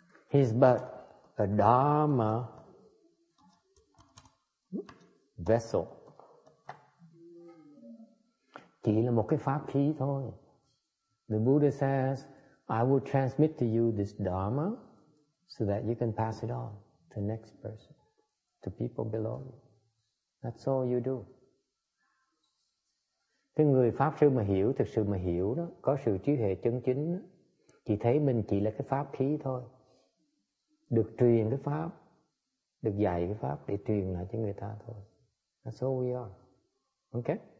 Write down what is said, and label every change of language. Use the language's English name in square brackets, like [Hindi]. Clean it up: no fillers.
[English] He's but a Dharma vessel. [Vietnamese] Chỉ là một cái pháp khí thôi. [English] The Buddha says, I will transmit to you this Dharma so that you can pass it on to the next person, to people below you. That's all you do. [Vietnamese] Cái người Pháp Sư mà hiểu, thực sự mà hiểu đó, có sự trí huệ chân chính đó, chỉ thấy mình chỉ là cái pháp khí thôi. Được truyền cái pháp, được dạy cái pháp để truyền lại cho người ta thôi. [English] That's all we are. [Vietnamese] Okay?